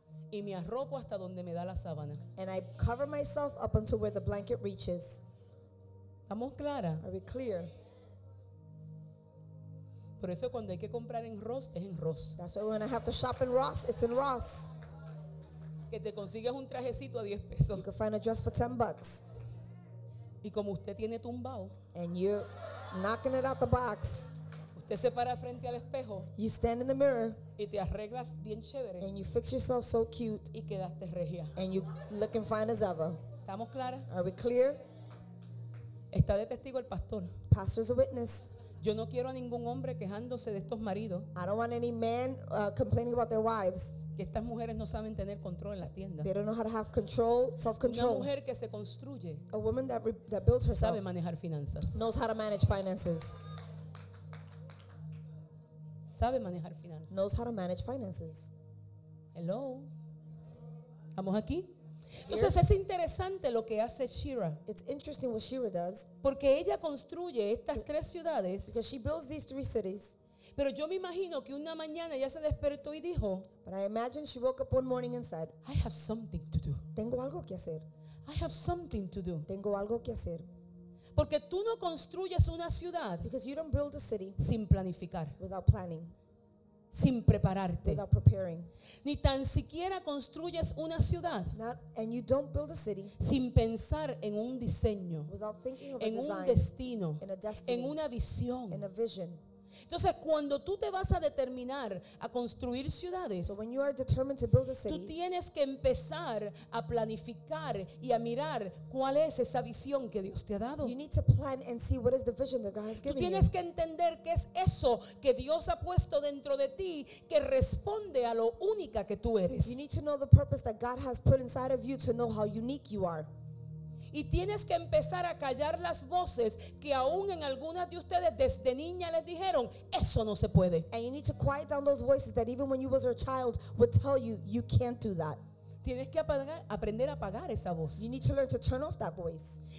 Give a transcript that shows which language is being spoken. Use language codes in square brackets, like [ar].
[es] Y me arropo hasta donde me da la sábana, [en] and I cover myself up until where the blanket reaches. [es] ¿Estamos claras? [en] Are we clear? [es] Por eso cuando hay que comprar en Ross, es en Ross. [en] That's why when I have to shop in Ross, it's in Ross. [es] Que te consigues un trajecito a 10 pesos. [en] You can find a dress for 10 bucks. [es] Y como usted tiene tumbado, [en] and you're knocking it out the box, [es] Te separas frente al espejo. [en] You stand in the mirror. [es] Y te arreglas bien chévere. [en] And you fix yourself so cute. [es] Y quedaste regia. [en] And you looking fine as ever. [es] ¿Estamos claras? [en] Are we clear? [es] Está de testigo el pastor. [en] Pastor's a witness. [es] Yo no quiero a ningún hombre quejándose de estos maridos. [en] I don't want any man complaining about their wives. [es] Que estas mujeres no saben tener control en las tiendas. [en] They don't know how to have control, self-control. [es] Una mujer que se construye. [en] A woman that builds herself. [es] Sabe manejar finanzas. [en] Knows how to manage finances. [es] Sabe manejar finanzas. [en] Knows how to manage finances. Hello. [es] ¿Estamos aquí? Entonces es interesante lo que hace Shira. [en] It's interesting what Shira does. [es] Porque ella construye estas tres ciudades. [en] Because she builds these three cities. [es] Pero yo me imagino que una mañana ella se despertó y dijo, [en] but I imagine she woke up one morning and said, I have something to do. [es] Tengo algo que hacer. [en] I have something to do. [es] Tengo algo que hacer. Porque tú no construyes una ciudad. [en] Because you don't build a city. [es] Sin planificar. [en] Without planning. [es] Sin prepararte. [en] Without preparing. [es] Ni tan siquiera construyes una ciudad. [en] And you don't build a city. [es] Sin pensar en un diseño. [en] Without thinking of a design. [es] En un destino. [en] In a destiny. [es] En una visión. [en] In a vision. [es] Entonces cuando tú te vas a determinar a construir ciudades, [en] so when you are determined to build a city, [es] tú tienes que empezar a planificar y a mirar cuál es esa visión que Dios te ha dado. [en] You need to plan and see what is the vision that God has given you. [es] Tú tienes que entender qué es eso que Dios ha puesto dentro de ti que responde a lo única que tú eres. [en] You need to know the purpose that God has put inside of you to know how unique you are. [es] Y tienes que empezar a callar las voces que aún en algunas de ustedes desde niña les dijeron, eso no se puede. [en] And you need to quiet down those voices that even when you was a child would tell you, you can't do that. [es] Tienes que aprender a apagar esa voz. [en] You need to learn to turn off that voice.